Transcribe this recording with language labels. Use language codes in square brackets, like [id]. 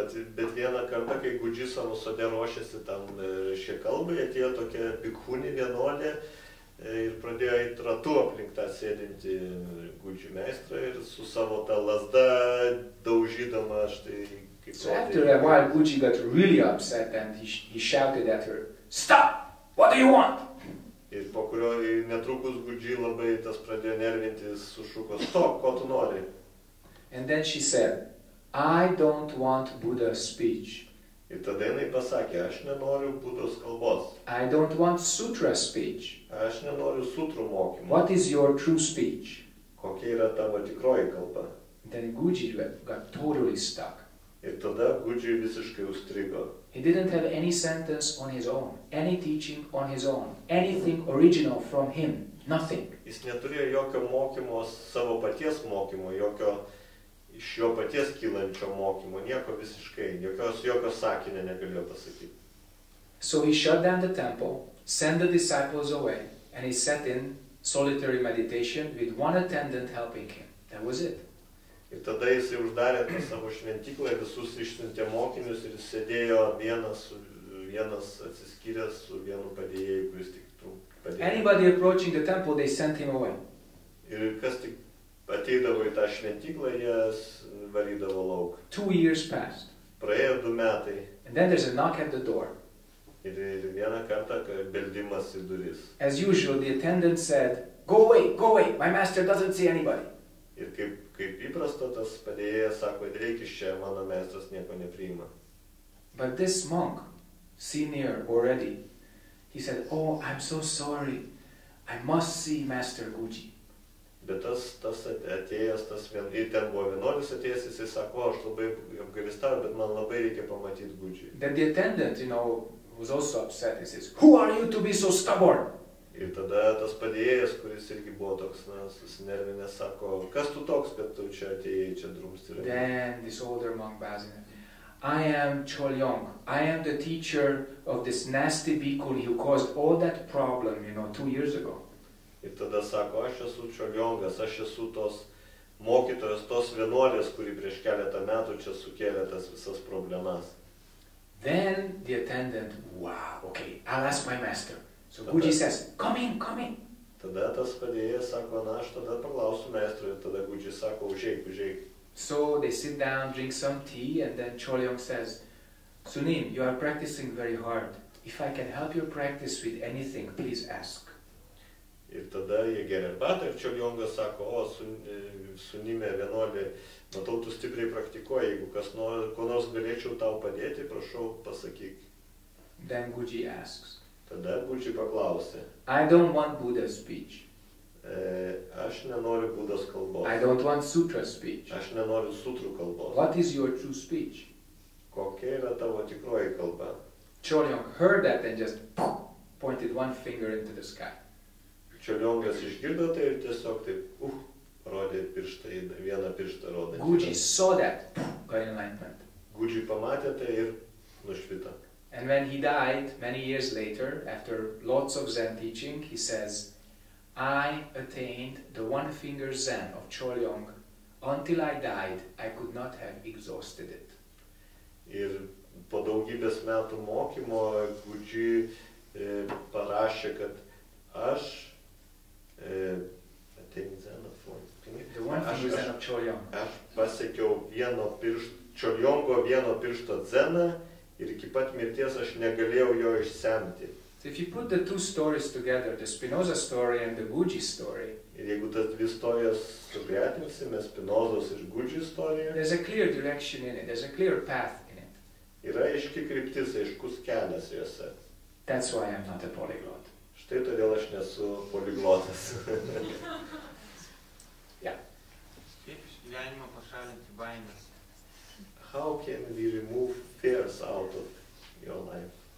[lt] Bet vieną kartą, kai Guji savo sode ruošėsi tam šie kalbai, atėjo tokia bhikkhuni vienuolė ir pradėjo į ratų aplink tą sėdinti Guji meistrą ir su savo tą lazdą daužydama štai. [en] So after a while, Guji got really upset and he shouted at her, "Stop! What do you want?" [lt] Ir po kurio netrukus Guji labai tas pradėjo nervintis, sušuko, "Stop, ko tu nori?" [en] And then she said, "I don't want Buddha's speech." [lt] Ir tada jinai pasakė, aš nenoriu Budos kalbos. [en] "I don't want sutra speech." [lt] Aš nenoriu sutrų mokymo. [en] "What is your true speech?" [lt] Kokia yra tavo tikroji kalba? [en] Then Guji got totally stuck. [lt] Ir tada Guji visiškai užstrigo. [en] He didn't have any sentence on his own, any teaching on his own, anything original from him, nothing. [lt] Jis neturėjo jokio mokymo, savo paties mokymo, jokio iš jo paties kylančio mokymo, nieko visiškai, jokio sakinio negalėjo pasakyti. [en] So he shut down the temple, sent the disciples away, and he sat in solitary meditation with one attendant helping him. That was it. [lt] Ir tada jisai uždarė tą savo šventiklą, visus išsintė mokinius ir sėdėjo vienas atsiskyręs su vienu padėjėju, kuris tik padėjo. [en] Anybody approaching the temple, they sent him away. [lt] Ir kas tik ateidavo į tą šventiklą, jas varydavo lauk. [en] 2 years passed. [lt] Praėjo 2 metai. [en] And then there's a knock at the door. [lt] Ir vieną kartą beldimas į duris. [en] As usual, the attendant said, "Go away, go away, my master doesn't see anybody." [lt] Ir kaip įprasto, tas padėjėjas sako, reikia iš čia, mano meistras nieko nepriima. [en] But this monk, senior already, he said, "Oh, I'm so sorry, I must see Master Guji." [lt] Bet tas atėjęs, tas vien, ir ten buvo vienuolis atėjęs, jis sako, aš labai apgailestauju, bet man labai reikia pamatyti Guji. [en] Then the attendant, you know, was also upset, he says, "Who are you to be so stubborn?" [lt] Ir tada tas padėjėjas, kuris irgi buvo toks, na, susinervinęs, sako, kas tu toks, kad tu čia atėjai, čia drumsti. [en] Then this older monk bows in. "I am Cholyong. I am the teacher of this nasty bhikkhuni who caused all that problem, you know, 2 years ago. [lt] Ir tada sako, aš esu Cholyongas, aš esu tos mokytojas, tos vienuolės, kuri prieš keletą metų čia sukėlė tas visas problemas. [en] Then the attendant, "Wow, okay, I'll ask my master." So Guji says, "Come in, come in." [lt] Tada tas padėjas sako, na, aš tada paklausiu meistro, ir tada Guji sako, užeik, užeik. [en] So they sit down, drink some tea, and then Cholyong says, "Sunim, you are practicing very hard. If I can help your practice with anything, please ask." [lt] Ir tada jie geria arbatą, ir Cholyongas sako, "O, Sunime, vienuolė, matau, tu stipriai praktikuoji, jeigu kas nori, ko nors galėčiau tau padėti, prašau, pasakyk." [en] Then Guji asks. [lt] Tada Guji paklausė. [en] "I don't want Buddha's speech." [lt] Aš nenoriu Budos kalbos. [en] "I don't want sutra speech." [lt] Aš nenoriu sutrų kalbos. [en] "What is your true speech?" [lt] Kokia yra tavo tikroji kalba? [en] Cholyong heard that and just pointed one finger into the sky. [lt] Cholyongas išgirdo tai ir tiesiog taip, rodė pirštą, vieną pirštą rodė. [en] Guji saw that, got enlightenment. [lt] Guji pamatė tai ir nušvito. [en] And when he died, many years later, after lots of Zen teaching, he says, "I attained the one finger Zen of Cholyong. Until I died, I could not have exhausted it." [lt] Ir po daugybės metų mokymo Guji parašė, kad aš [en] attained Zen of [lt] Cholyong. Aš pasiekiau Cholyongo vieno piršto Zeną. Ir iki pat mirties aš negalėjau jo išsemti. [en] So if you put the two stories together, the Spinoza story and the Guji story, [lt] ir jeigu tas dvi istorijas sugretinsime, Spinozos ir Guji istoriją, [en] there's a clear direction in it, there's a clear path in it. [lt] Yra aiški kryptis, aiškus kelias jose. [en] That's why I'm not a polyglot. [lt] Štai todėl aš nesu poliglotas. Kaip iš gyvenimo pašalinti baimės? [en] How can we remove fears out of your life?